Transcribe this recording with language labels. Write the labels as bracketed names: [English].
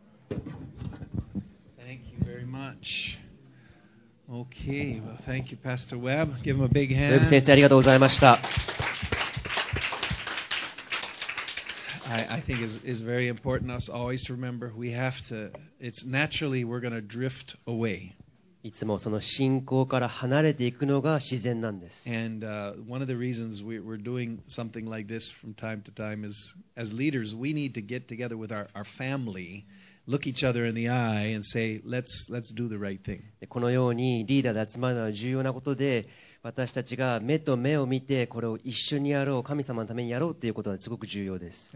[English] Thank you very much. Okay, well, thank you, Pastor Webb. Give him a big hand. [Japanese] Webb 先生、ありがとうございました。 [English] I think it's very important us always to remember we have to, it's naturally we're going to drift away. [Japanese] いつもその信仰から離れていくのが自然なんです。 [English] And one of the reasons we're doing something like this from time to time is as leaders, we need to get together with our family. Look each other in the eye and say, let's do the right thing. [Japanese] このようにリーダーで集まるのは重要なことで、私たちが目と目を見てこれを一緒にやろう、神様のためにやろうということはすごく重要です。